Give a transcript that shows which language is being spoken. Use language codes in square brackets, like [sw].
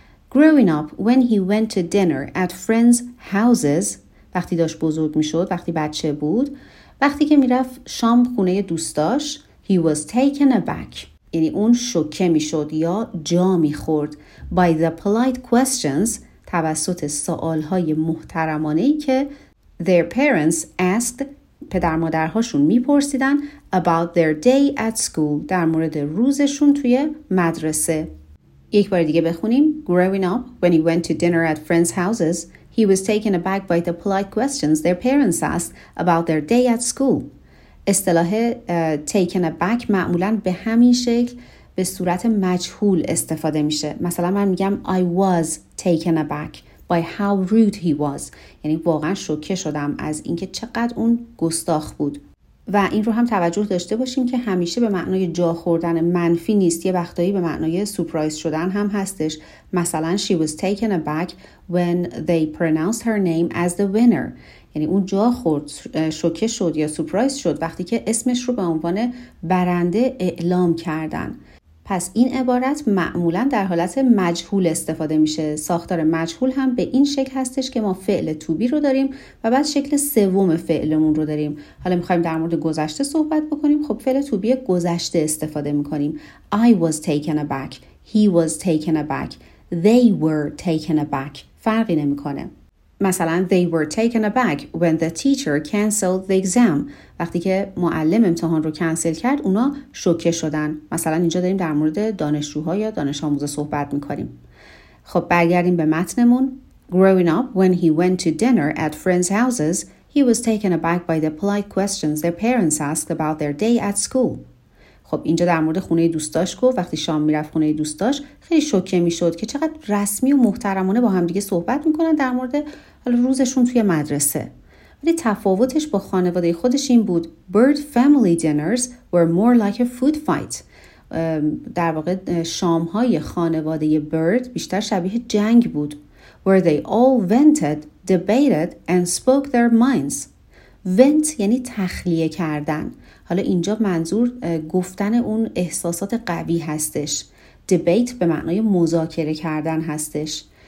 [en] Growing up, when he went to dinner at friends' houses, [fa] وقتی داشت بزرگ میشد، وقتی بچه بود، وقتی که میرفت شام خونه دوستاش، [en] he was taken aback. [fa] یعنی اون شوکه میشد یا جا میخورد [en] by the polite questions, [fa] توسط سوالهای محترمانهی که [en] their parents asked, [fa] پدر مادرهاشون میپرسیدن [en] about their day at school [fa] در مورد روزشون توی مدرسه یک بار دیگه بخونیم [en] Growing up when he went to dinner at friends' houses he was taken aback by the polite questions their parents asked about their day at school [fa] اصطلاح taken aback معمولا به همین شکل به صورت مجهول استفاده میشه مثلا من میگم [en] I was taken aback by how rude he was [fa] یعنی واقعا شوکه شدم از اینکه چقدر اون گستاخ بود و این رو هم توجه داشته باشیم که همیشه به معنای جا خوردن منفی نیست یه وقتایی به معنای سورپرایز شدن هم هستش مثلا [en] she was taken aback when they pronounced her name as the winner [fa] یعنی اون جا خورد شوکه شد یا سورپرایز شد وقتی که اسمش رو به عنوان برنده اعلام کردن پس این عبارت معمولا در حالت مجهول استفاده میشه. ساختار مجهول هم به این شکل هستش که ما فعل to be رو داریم و بعد شکل سوم فعلمون رو داریم. حالا میخواییم در مورد گذشته صحبت بکنیم. خب فعل to be گذشته استفاده میکنیم. [en] I was taken aback. He was taken aback. They were taken aback. [fa] فرقی نمیکنه. [en] مثلا they were taken aback when the teacher cancelled the exam [fa] وقتی که معلم امتحان رو کنسل کرد اونا شوکه شدن مثلا اینجا داریم در مورد دانشجوها یا دانش آموزا صحبت میکنیم خب برگردیم به متنمون [en] Growing up when he went to dinner at friends' houses he was taken aback by the polite questions their parents asked about their day at school [fa] خب اینجا در مورد خونه دوستاش گفت وقتی شام میرفت خونه دوستاش خیلی شوکه میشد که چقدر رسمی و محترمانه با هم دیگه صحبت میکنن در مورد روزشون توی مدرسه ولی تفاوتش با خانواده خودش این بود [en] bird family dinners were more like a food fight [fa] در واقع شام های خانواده bird بیشتر شبیه جنگ بود [en] where they all vented debated and spoke their minds [fa] vent یعنی تخلیه کردن حالا اینجا منظور گفتن اون احساسات قوی هستش. Debate به معنای مذاکره کردن هستش.